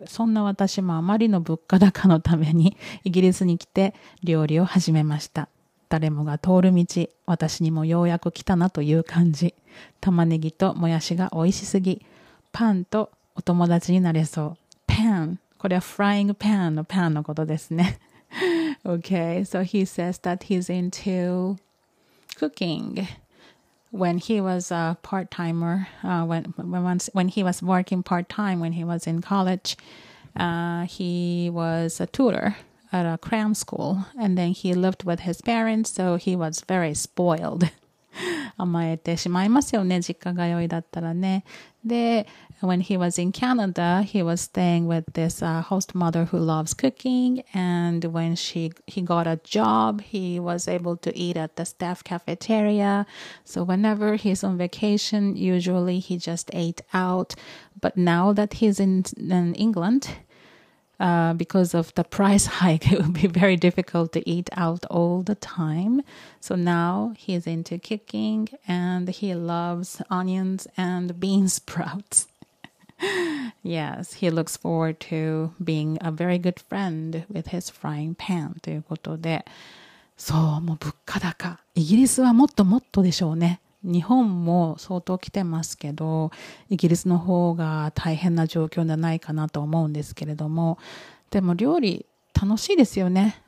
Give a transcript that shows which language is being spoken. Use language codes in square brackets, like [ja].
[ja] そんな私もあまりの物価高のためにイギリスに来て料理を始めました。誰もが通る道、私にもようやく来たなという感じ。玉ねぎともやしが美味しすぎ、パンとお友達になれそう。パン、これはフライングパンのパンのことですね。 [en] Okay, so he says that he's into cooking when he was a part-timer, when he was working part-time when he was in college. He was a tutor at a cram school, and then he lived with his parents, so he was very spoiled. [ja] 甘えてしまいますよね、実家通いだったらね。 [en] で、when he was in Canada, he was staying with this host mother who loves cooking. And when he got a job, he was able to eat at the staff cafeteria. So whenever he's on vacation, usually he just ate out. But now that he's in England, because of the price hike, it would be very difficult to eat out all the time. So now he's into cooking and he loves onions and bean sprouts. Yes, he looks forward to being a very good friend with his frying pan [ja] ということで、そう、もう物価高、イギリスはもっともっとでしょうね。日本も相当来てますけど、イギリスの方が大変な状況じゃないかなと思うんですけれども、でも料理楽しいですよね。